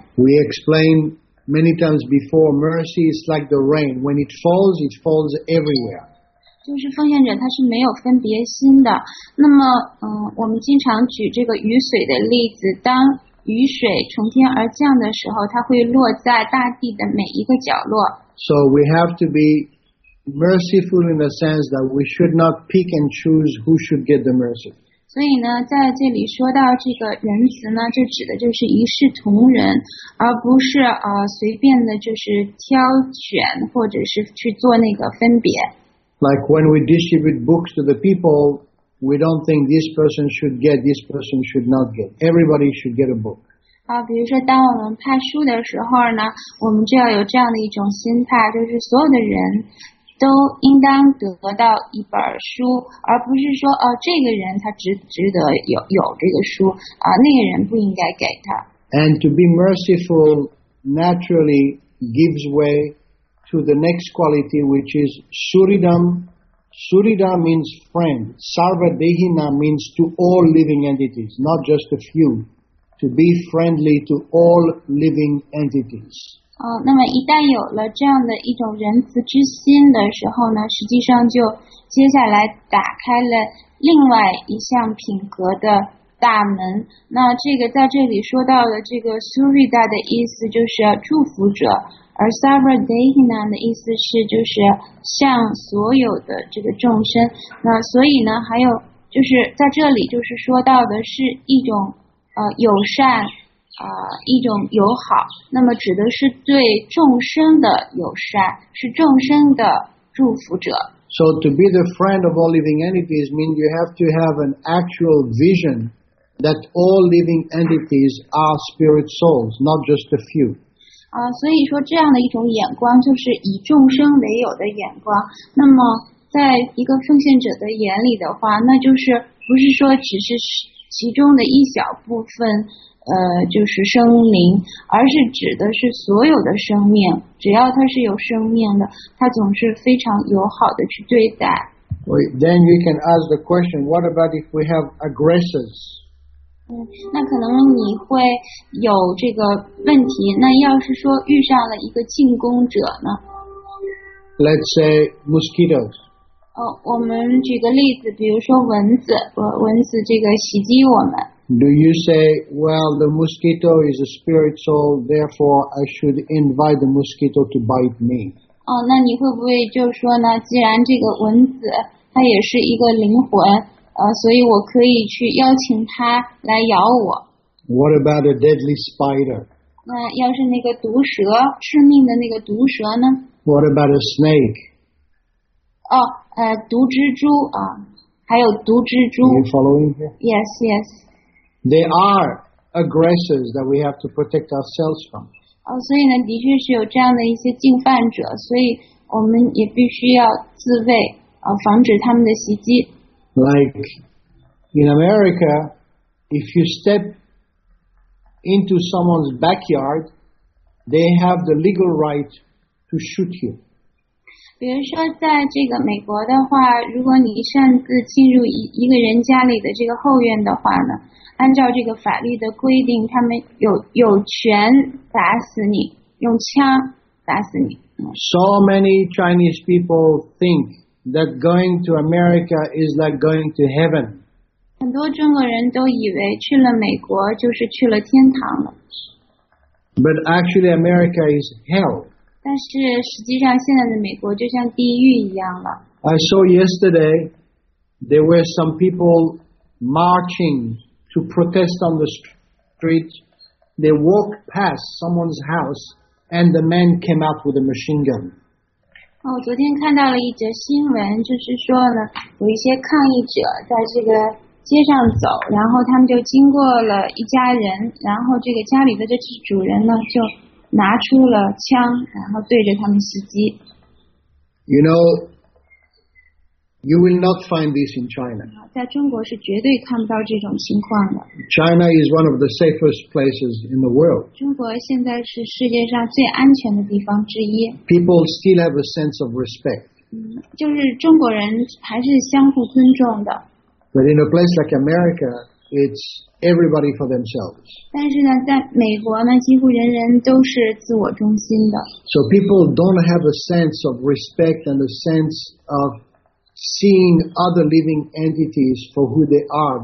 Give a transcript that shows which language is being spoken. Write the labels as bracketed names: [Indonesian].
[English] We explained many times before, mercy is like the rain. When it falls everywhere. [Chinese] 就是奉献者他是没有分别心的。那么，我们经常举这个雨水的例子，当雨水从天而降的时候，它会落在大地的每一个角落。 [English] So we have to be merciful in the sense that we should not pick and choose who should get the mercy. [Chinese] 所以呢，在这里说到这个仁慈呢，这指的就是一视同仁，而不是随便的就是挑选或者是去做那个分别。 [English] Like when we distribute books to the people, we don't think this person should get, this person should not get. Everybody should get a book. [Chinese] 比如说当我们派书的时候呢，我们就要有这样的一种心态，就是所有的人都应当得到一本书，而不是说这个人他值得有这个书啊，那个人不应该给他。 [English] And to be merciful naturally gives way. To the next quality, which is Suridam. Surida means friend. Sarvadehina means to all living entities, not just a few. To be friendly to all living entities. [Chinese] 那么一旦有了这样的一种仁慈之心的时候呢，实际上就接下来打开了另外一项品格的大门。那这个在这里说到的这个 Surida 的意思就是祝福者。而 Sarvadehina 的意思是就是向所有的这个众生，那所以呢，还有就是在这里就是说到的是一种友善一种友好，那么指的是对众生的友善，是众生的祝福者。 [English] So to be the friend of all living entities means you have to have an actual vision that all living entities are spirit souls, not just a few. [Chinese] 所以说这样的一种眼光就是以众生为友的眼光。那么在一个奉献者的眼里的话，那就是不是说只是其中的一小部分就是生灵，而是指的是所有的生命，只要它是有生命的，它总是非常友好的去对待。 [English] Then you can ask the question, what about if we have aggressors? [Chinese] 那可能你会有这个问题，那要是说遇上了一个进攻者呢？ [English] Let's say mosquitoes. [Chinese] 我们举个例子，比如说蚊子，蚊子这个袭击我们。 [English] Do you say, well, the mosquito is a spirit soul, therefore I should invite the mosquito to bite me? [Chinese] 那你会不会就说呢，既然这个蚊子它也是一个灵魂，所以我可以去邀请它来咬我。 [English] What about a deadly spider? [Chinese] 那要是那个毒蛇，致命的那个毒蛇呢？ [English] What about a snake? [Chinese] 毒蜘蛛啊，还有毒蜘蛛。 [English] Are you following here? Yes, yes. They are aggressors that we have to protect ourselves from. [Chinese] 所以呢，的确是有这样的一些进犯者，所以我们也必须要自卫。防止他们的袭击。 [English] Like in America, if you step into someone's backyard, they have the legal right to shoot you. [Chinese] 比如说，在这个美国的话，如果你擅自进入一个人家里的这个后院的话呢，按照这个法律的规定，他们有权打死你，用枪打死你。 [English] So many Chinese people think. That going to America is like going to heaven. [Chinese] 很多中国人都以为去了美国就是去了天堂了。 [English] But actually, America is hell. [Chinese] 但是实际上现在的美国就像地狱一样了。 [English] I saw yesterday there were some people marching to protest on the street. They walked past someone's house and the man came out with a machine gun. [Chinese] 我昨天看到了一则新闻，就是说呢，有一些抗议者在这个街上走，然后他们就经过了一家人，然后这个家里的这主人呢，就拿出了枪，然后对着他们袭击。 [English] You know, you will not find this in China. [Chinese] 在中国是绝对看不到这种情况的。 [English] China is one of the safest places in the world. [Chinese] 中国现在是世界上最安全的地方之一。 [English] People still have a sense of respect. [Chinese] 就是中国人还是相互尊重的。 [English] But in a place like America, it's everybody for themselves. [Chinese] 但是呢，在美国呢，几乎人人都是自我中心的。 [English] So people don't have a sense of respect and a sense of seeing other living entities for who they are.